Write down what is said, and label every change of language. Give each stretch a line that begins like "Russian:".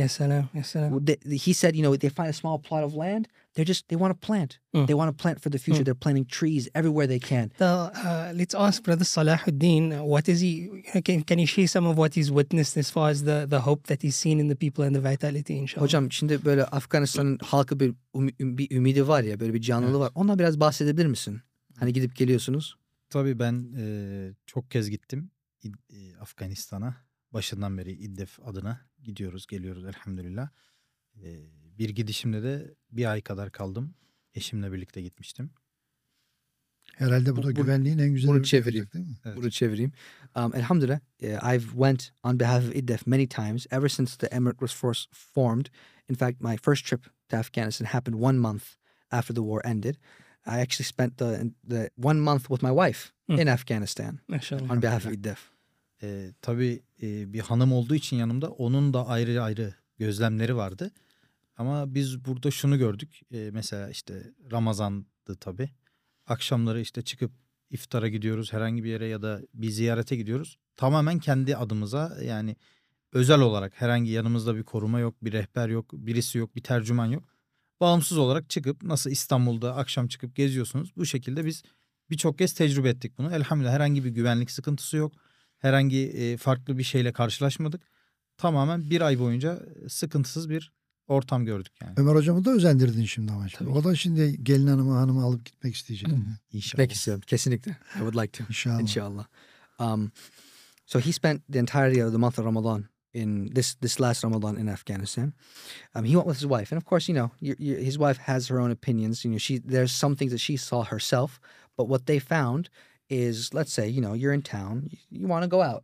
English: Yes, I know. Yes, I know. He said, you know, they find a small plot of land. They want to plant. They want to plant for the future. They're planting trees everywhere they can. Let's ask Brother Salahuddin, what is he, can he share some of what he's witnessed as far as the hope that he's seen in the people and the vitality, inshallah?
Turkish: Hocam, şimdi böyle Afganistan'ın halkı bir ümidi var ya, böyle bir canlılığı var. Ondan biraz bahsedebilir misin? Hani gidip geliyorsunuz. Tabii ben çok kez gittim. Afganistan'a başından beri İDF adına gidiyoruz, geliyoruz elhamdülillah. Bir gidişimde de bir ay kadar kaldım. Eşimle birlikte gitmiştim. Herhalde bu da güvenliğin en güzel bunu çevireyim. Olacak, değil mi? Evet. Bunu çevireyim.
English: Elhamdülillah, I've went on behalf of İDF many times ever since the Emirate was first formed. In fact, my first trip to Afghanistan happened 1 month after the war ended. I actually spent the 1 month with my wife in Afghanistan on behalf of IDF.
Turkish: Tabii bir hanım olduğu için yanımda, onun da ayrı ayrı gözlemleri vardı. Ama biz burada şunu gördük. Mesela işte Ramazan'dı tabii. Akşamları işte çıkıp iftara gidiyoruz, herhangi bir yere ya da bir ziyarete gidiyoruz. Tamamen kendi adımıza, yani özel olarak, herhangi yanımızda bir koruma yok, bir rehber yok, birisi yok, bir tercüman yok. Bağımsız olarak çıkıp, nasıl İstanbul'da akşam çıkıp geziyorsunuz, bu şekilde biz birçok kez tecrübe ettik bunu. Elhamdülillah herhangi bir güvenlik sıkıntısı yok. Herhangi farklı bir şeyle karşılaşmadık. Tamamen bir ay boyunca sıkıntısız bir ortam gördük yani. Ömer hocamı da özendirdin şimdi ama. Tabii. O da şimdi gelin hanımı alıp gitmek isteyecek. İnşallah. İstiyorum. Kesinlikle.
English: I would like to.
Turkish: İnşallah. İnşallah.
English: So he spent the entirety of the month of Ramadan in this last Ramadan in Afghanistan. He went with his wife. And of course, you know, his wife has her own opinions. You know, there's some things that she saw herself. But what they found is, let's say, you know, you're in town. You want to go out.